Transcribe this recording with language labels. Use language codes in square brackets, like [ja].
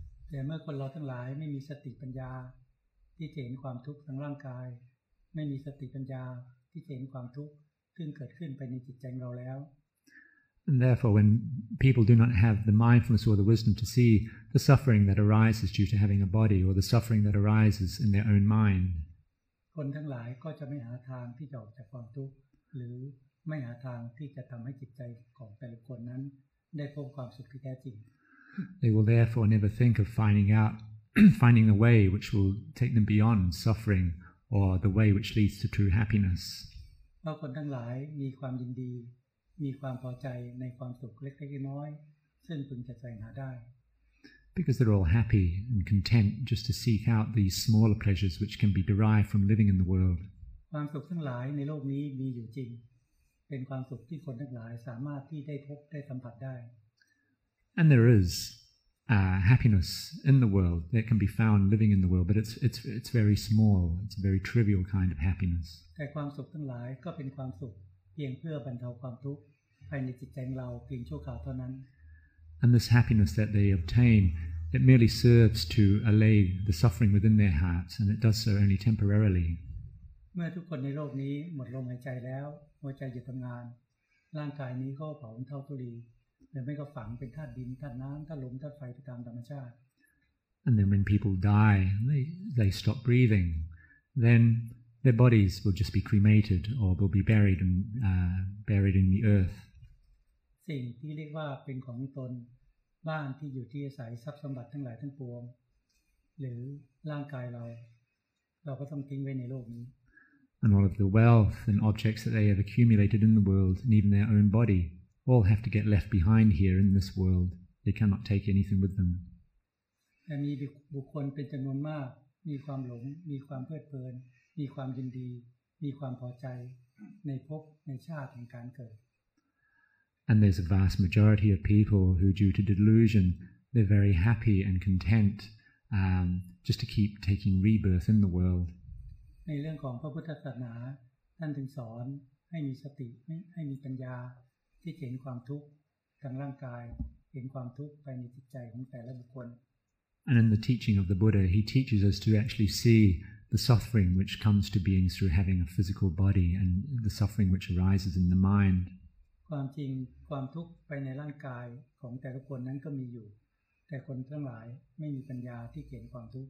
[en] But when people don't have any wisdom, don't have any wisdom, don't have any wisdom, don't have any wisdom, don't have any wisdom, [th] ซึ่งเกิดขึ้นไปในจิตใจเราแล้ว [en] And therefore when people do not have the mindfulness or the wisdom to see the suffering that arises due to having a body or the suffering that arises in their own mind [th] คนทั้งหลายก็จะไม่หาทางที่จะออกจากความทุกข์หรือไม่หาทางที่จะทำให้จิตใจของแต่ละคนนั้นได้พบความสุขที่แท้จริง [en] They will therefore never think of finding a way which will take them beyond suffering or the way which leads to true happiness [th] เราคนทั้งหลายมีความยินดีมีความพอใจในความสุขเล็กๆน้อยซึ่งพึงจะแสวงหาได้ [en] Because they're all happy and content just to seek out these smaller pleasures which can be derived from living in the world [th] ความสุขทั้งหลายในโลกนี้มีอยู่จริงเป็นความสุขที่คนทั้งหลายสามารถที่ได้พบได้สัมผัสได้ [en] And there is happiness in the world that can be found living in the world but it's very small it's a very trivial kind of happiness [th] แต่ความสุขทั้งหลายก็เป็นความสุขเพียงเพื่อบรรเทาความทุกข์ภายในจิตใจเราเพียงชั่วคราวเท่านั้น [en] And this happiness that they obtain it merely serves to allay the suffering within their hearts, and it does so only temporarily. [th] เมื่อทุกคนในโลกนี้หมดลมหายใจแล้วหัวใจหยุดทำงานร่างกายนี้ก็เผาเท่าธุลีหรือไม่ก็ฝังเป็นธาตุดินธาตุน้ำธาตุลมธาตุไฟไปตามธรรมชาติ [en] And then when people die, they stop breathing, then their bodies will just be cremated or will be buried in the earth. [th] สิ่งที่เรียกว่าเป็นของตนบ้านที่อยู่ที่อาศัยทรัพย์สมบัติทั้งหลายทั้งปวงหรือร่างกายเราก็ต้องทิ้งไว้ในโลกนี้ [en] And all of the wealth and objects that they have accumulated in the world and even their own body all have to get left behind here in this world. They cannot take anything with them. [th] แต่มีบุคคลเป็นจำนวนมากมีความหลงมีความเพลิดเพลินมีความยินดีมีความพอใจในภพในชาติแห่งการเกิด [en] And there's a vast majority of people who, due to delusion, they're very happy and content just to keep taking rebirth in the world. [th] ในเรื่องของพระพุทธศาสนาท่านถึงสอนให้มีสติให้มีปัญญาที่เห็นความทุกข์ทางร่างกายเห็นความทุกข์ภายในจิตใจของแต่ละบุคคล [en] And in the teaching of the Buddha, he teaches us to actually see the suffering which comes to beings through having a physical body and the suffering which arises in the mind. [th] ความจริงความทุกข์ไปในร่างกายของแต่ละคนนั้นก็มีอยู่แต่คนทั้งหลายไม่มีปัญญาที่เห็นความทุกข